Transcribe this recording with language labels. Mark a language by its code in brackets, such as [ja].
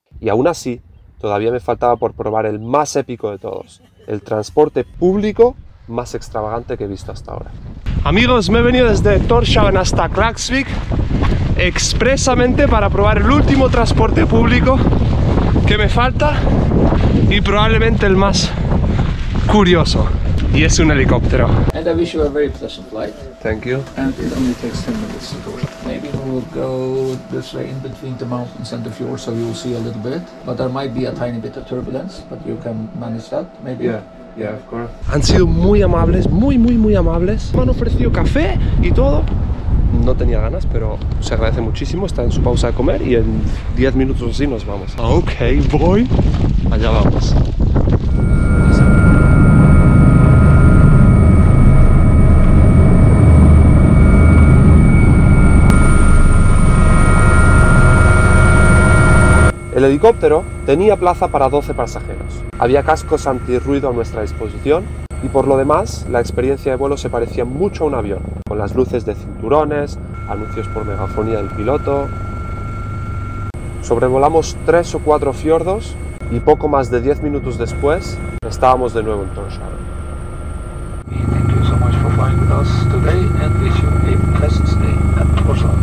[es] Y aún así, todavía me faltaba por probar el más épico de todos, el transporte público más extravagante que he visto hasta ahora. Amigos, me he venido desde Tórshavn hasta Klaksvík expresamente para probar el último transporte público que me falta y probablemente el más curioso. Y es un helicóptero. [en] And I wish you a very pleasant flight. Thank you. And it only takes 10 minutes to go. Maybe we'll go this way in between the mountains and the fjord, so you'll see a little bit. But there might be a tiny bit of turbulence, but you can manage that, maybe. Yeah, of course. [es] Han sido muy amables, muy, muy, muy amables. Me han ofrecido café y todo. No tenía ganas, pero se agradece muchísimo. Está en su pausa de comer y en 10 minutos así nos vamos. Ok, voy. Allá vamos. El helicóptero tenía plaza para 12 pasajeros. Había cascos antirruido a nuestra disposición y por lo demás, la experiencia de vuelo se parecía mucho a un avión, con las luces de cinturones, anuncios por megafonía del piloto. Sobrevolamos 3 o 4 fiordos y poco más de 10 minutos después estábamos de nuevo en Tórshavn. [en] Thank you so much for flying with us today and wish you a pleasant stay at Tórshavn.